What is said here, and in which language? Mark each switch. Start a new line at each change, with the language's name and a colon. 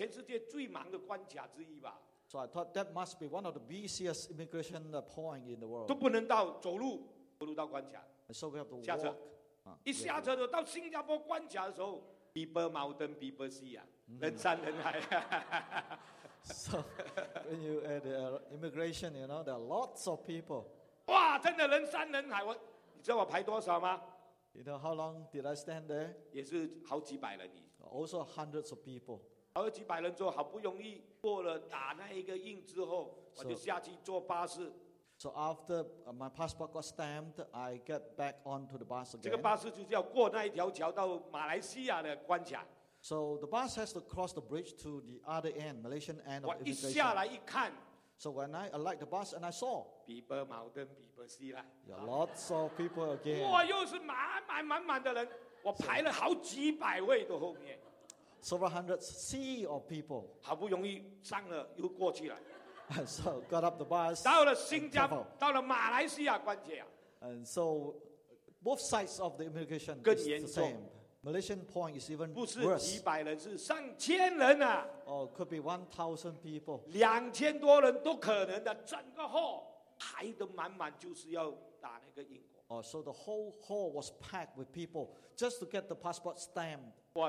Chinese: 塞到真的离谱，应该全世界最忙的关卡之一吧。
English: So I thought that must be one of the busiest immigration point in the world.
Chinese: 都不能到走路到关卡。
English: So we have to walk.
Chinese: 一下车到新加坡关卡的时候，
English: People Mountain, People Sea,
Chinese: 人山人海。
English: So when you at the immigration, you know, there are lots of people.
Chinese: 哇，真的人山人海。你知道我排多少吗？
English: You know how long did I stand there?
Chinese: 也是好几百人。
English: Also hundreds of people.
Chinese: 好几百人之后，好不容易过了打那一个印之后，我就下去坐巴士。
English: So after my passport got stamped, I get back onto the bus again.
Chinese: 这个巴士就是要过那一条桥到马来西亚的关卡。
English: So the bus has to cross the bridge to the other end, Malaysian end of immigration.
Chinese: 我一下来一看,
English: so when I alight the bus and I saw, people, mountain, people, sea, there are lots of people again.
Chinese: 哇，又是满满满的人。我排了好几百位都后面,
English: several hundred sea of people.
Chinese: 好不容易上了又过去了,
English: so got up the bus.
Chinese: 到了新加坡, 到了马来西亚关节啊,
English: and so both sides of the immigration is the same. Malaysian point is even worse.
Chinese: 不是几百人, 是上千人啊,
English: or could be 1,000 people.
Chinese: 2,000多人都可能的, 整个货 排得满满就是要打那个英国。
English: Oh, so the whole hall was packed with people just to get the passport stamped.